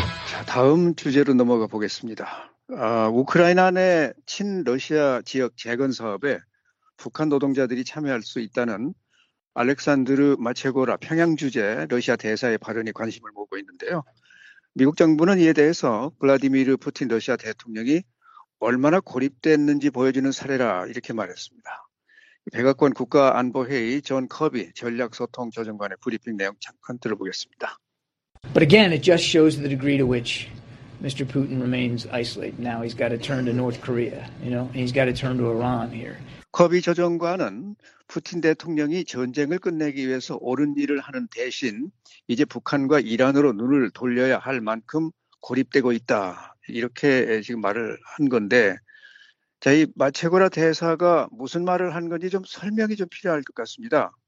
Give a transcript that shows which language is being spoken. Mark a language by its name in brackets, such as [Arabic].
[Korean] 자, 다음 주제로 넘어가 보겠습니다. 우크라이나 내 친러시아 지역 재건 사업에 북한 노동자들이 참여할 수 있다는 알렉산드르 마체고라 평양 주재 러시아 대사의 발언이 관심을 모으고 있는데요. 미국 정부는 이에 대해서 블라디미르 푸틴 러시아 대통령이 얼마나 고립됐는지 보여주는 사례라 이렇게 말했습니다. 백악관 국가안보회의 존 커비 전략소통조정관의 브리핑 내용 잠깐 들어보겠습니다. [English] But again, it just shows the degree to which Mr. Putin remains isolated. Now he's got to turn to North Korea, you know, and he's got to turn to Iran here. [Korean] 커비 조정관은 푸틴 대통령이 전쟁을 끝내기 위해서 옳은 일을 하는 대신 이제 북한과 이란으로 눈을 돌려야 할 만큼 고립되고 있다. 이렇게 지금 말을 한 건데 자, 이 마체고라 대사가 무슨 말을 한 건지 좀 설명이 좀 필요할 것 같습니다.